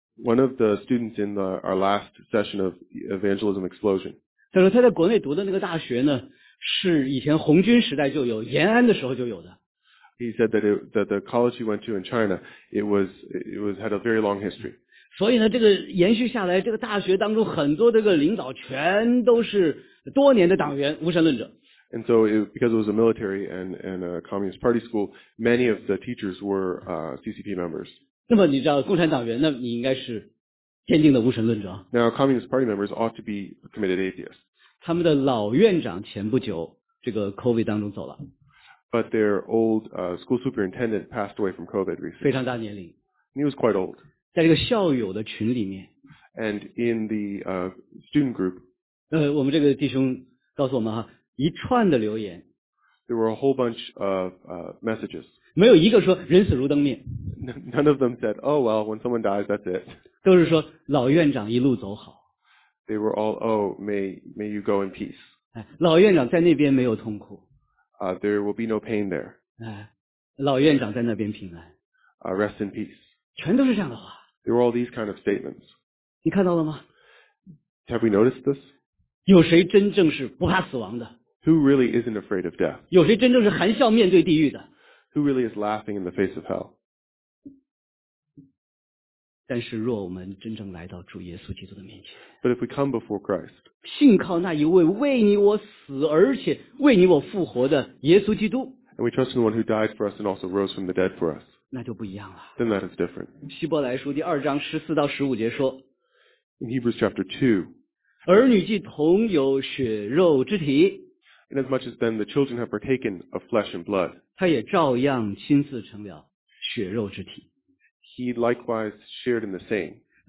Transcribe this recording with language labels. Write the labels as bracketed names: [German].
[English] One of the students in our last session of Evangelism Explosion. [Chinese] 他说他在国内读的那个大学呢，是以前红军时代就有，延安的时候就有的。 [English] He said that the college he went to in China, it had a very long history. [Chinese] 所以呢，这个延续下来，这个大学当中很多这个领导全都是多年的党员，无神论者。 [English] And so, because it was a military and a communist party school, many of the teachers were CCP members. [Chinese] 那么你知道共产党员，那你应该是坚定的无神论者。 [English] Now, communist party members ought to be committed atheists. [Chinese] 他们的老院长前不久这个 COVID 当中走了。 [English] But their old school superintendent passed away from COVID recently. [Chinese] 非常大年龄。 [English] And he was quite old. [Chinese] 在这个校友的群里面。 [English] And in the student group. [Chinese] 我们这个弟兄告诉我们哈。一串的留言, [English] there were a whole bunch of messages. [Chinese] 没有一个说, 人死如灯灭, [English] none of them said, oh well, when someone dies, that's it. [Chinese] 都是说, 老院长一路走好, [English] they were all, oh, may you go in peace. [Chinese] 老院长在那边没有痛苦, [English] there will be no pain there. [Chinese] 老院长在那边平安, [English] rest in peace. [Chinese] 全都是这样的话, [English] there were all these kind of statements. [Chinese] 你看到了吗? [English] Have we noticed this? [Chinese] 有谁真正是不怕死亡的? [English] Who really isn't afraid of death? [Chinese] 有谁真正是含笑面对地狱的? [English] Who really is laughing in the face of hell? [Chinese] 但是若我们真正来到主耶稣基督的面前, [English] But if we come before Christ, [Chinese] 信靠那一位为你我死而且为你我复活的耶稣基督, [English] And we trust in the one who died for us and also rose from the dead for us, [Chinese] 那就不一样了, [English] Then that is different. [Chinese] 希伯来书第2章14到15节说, [English] In Hebrews chapter 2, [Chinese] 儿女既同有血肉之体, [English] Inasmuch as then the children have partaken of flesh and blood, he likewise shared in the same.